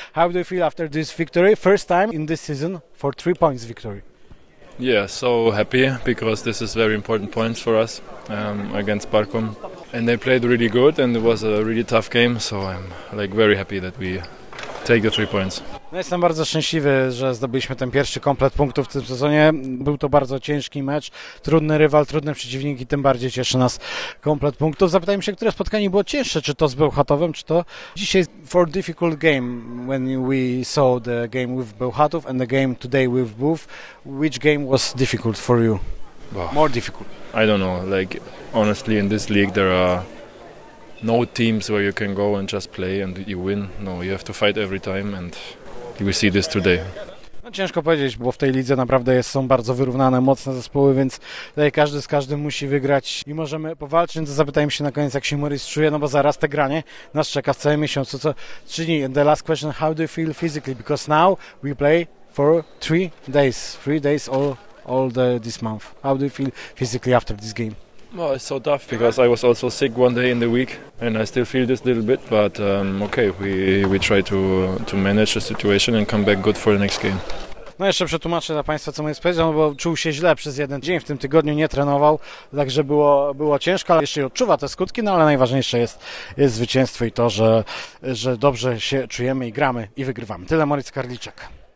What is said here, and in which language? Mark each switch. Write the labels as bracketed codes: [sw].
[en] How do you feel after this victory? First time in this season for 3 points victory. Yeah, so happy, because this is very important points for us against Barkum. And they played really good and it was a really tough game, so I'm like very happy that we take the 3 points. [pl] No, jestem bardzo szczęśliwy, że zdobyliśmy ten pierwszy komplet punktów w tym sezonie. Był to bardzo ciężki mecz, trudny rywal, trudny przeciwnik i tym bardziej cieszy nas komplet punktów. Zapytajmy się, które spotkanie było cięższe, czy to z Bełchatowem, czy to dzisiaj [en] for difficult game when we saw the game with Bełchatów and the game today with Buf. Which game was difficult for you? Well, more difficult? I don't know. Like honestly in this league there are no teams where you can go and just play and you win. No, you have to fight every time and we see this today. [pl] No, ciężko powiedzieć, bo w tej lidze naprawdę są bardzo wyrównane, mocne zespoły, więc tutaj każdy z każdym musi wygrać i możemy powalczyć. No, zapytajmy się na koniec, jak się Moritz czuje, no bo zaraz te granie nas czeka w całym miesiącu, co czyni. [en] And the last question, how do you feel physically? Because now we play for three days all the this month. How do you feel physically after this game? Well, it's so tough because I was also sick one day in the week and I still feel this little bit, but okay, we try to manage the situation and come back good for the next game. [pl] No jeszcze przetłumaczę dla Państwa, co Moritz powiedział, bo czuł się źle przez jeden dzień, w tym tygodniu nie trenował, także było ciężko, ale jeszcze odczuwa te skutki, no ale najważniejsze jest zwycięstwo i to, że dobrze się czujemy i gramy i wygrywamy. Tyle Moritz Karliczek.